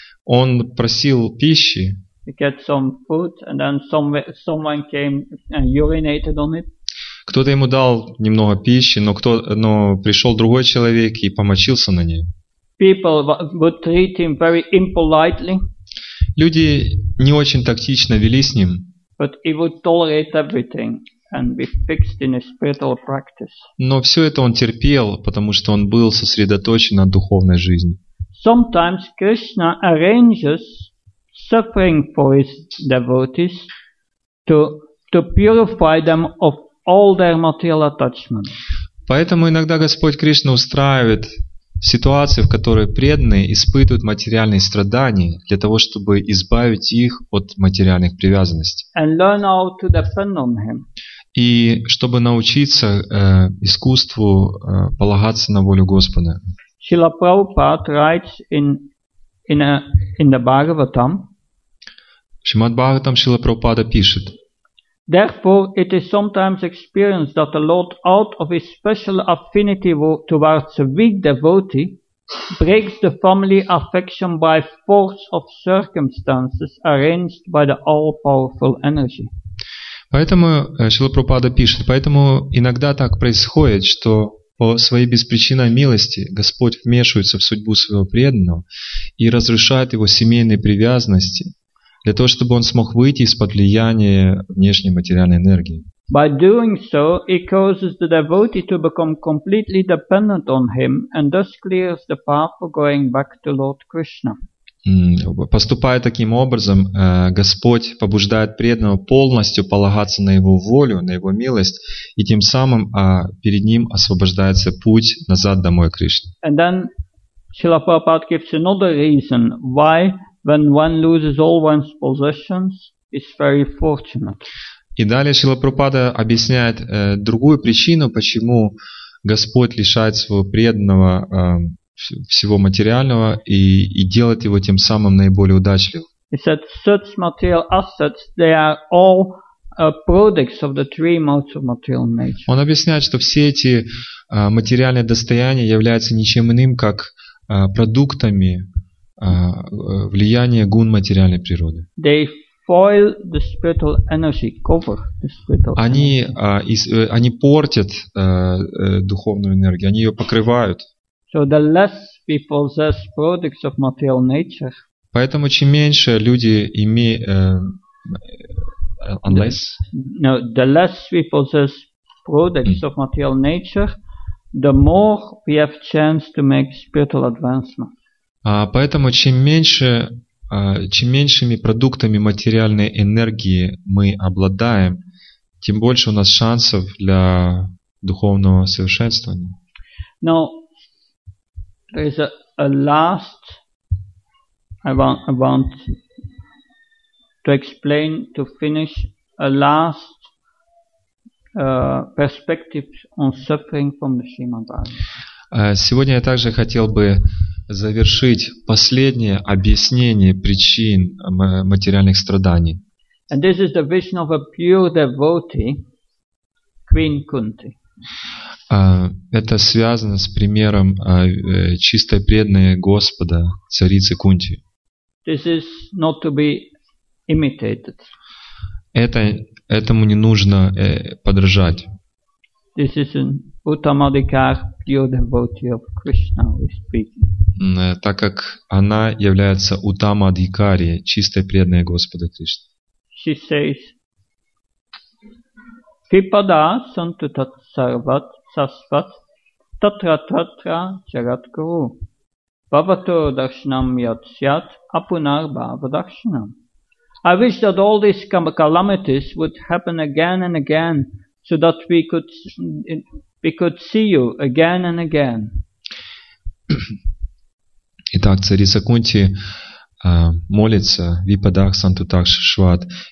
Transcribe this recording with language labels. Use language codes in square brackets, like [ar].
[ru] Он просил пищи, кто-то ему дал немного пищи, но пришел другой человек и помочился на ней. [en] People would treat him very impolitely. [ru] Люди не очень тактично вели с ним. [en] But he would tolerate everything and be fixed in his spiritual practice. [ru] Но все это он терпел, потому что он был сосредоточен на духовной жизни. [en] Sometimes Krishna arranges suffering for his devotees to purify them of all their material attachments. [ru] Поэтому иногда Господь Кришна устраивает ситуации, в которой преданные испытывают материальные страдания для того, чтобы избавить их от материальных привязанностей. [en] And learn how to depend on him. [ru] И чтобы научиться искусству полагаться на волю Господа. [en] Srila Prabhupada writes in the Bhagavatam. [ru] Шримад Бхагаватам Шрила Прабхупада пишет. [en] Therefore, it is sometimes experienced that the Lord, out of his special affinity towards a weak devotee, breaks the family affection by force of circumstances arranged by the all-powerful energy. [ru] Поэтому Шрила Прабхупада пишет, поэтому иногда так происходит, что по своей беспричинной милости Господь вмешивается в судьбу своего преданного и разрушает его семейные привязанности, для того, чтобы он смог выйти из-под влияния внешней материальной энергии. [en] By doing so, he causes the devotee to become completely dependent on him and thus clears the path for going back to Lord Krishna. [ru] Поступая таким образом, Господь побуждает преданного полностью полагаться на его волю, на его милость, и тем самым перед ним освобождается путь назад домой к Кришне. [en] And then Srila Prabhupada gives another reason why when one loses all one's possessions, it's very fortunate. [ru] И далее Шрила Прабхупада объясняет другую причину, почему Господь лишает своего преданного всего материального и делает его тем самым наиболее удачливым. [en] He said, such material assets, they are all products of the three modes of material nature. [ru] Он объясняет, что все эти материальные достояния являются ничем иным, как продуктами влияние гун материальной природы. [en] They foil the spiritual energy, cover the spiritual energy. [ru] Они портят духовную энергию, они ее покрывают. [en] So the less we possess products of material nature. [ru] Поэтому чем меньше люди имеют, [en] unless. No, the less we possess products of material nature, the more we have chance to make spiritual advancement. [ru] Поэтому чем меньшими продуктами материальной энергии мы обладаем, тем больше у нас шансов для духовного совершенствования. [en] Now, there is a last I want to explain to finish a last perspective on suffering from the Srimad Bhagavatam. [ru] Сегодня я также хотел бы завершить последнее объяснение причин материальных страданий. [en] And this is the vision of a pure devotee, Queen Kunti. [ru] Это связано с примером чистой преданной Господа, царицы Кунти. [en] This is not to be imitated. [ru] Это этому не нужно подражать. [en] This is an Uttamadikar, pure devotee of Krishna, is speaking. [ru] Так как она является Uttamadikari, чистой преданной Господа Кришны. [sa] She says, Kripada santu tat sarvat sasvat tatra tatra jagat guru. Bhavato darshanam yat syat apunar bhava darshanam. [en] I wish that all these calamities would happen again and again so that we could see you again and again. [ru] Итак, царица Кунти молится випадах сантутакшишват.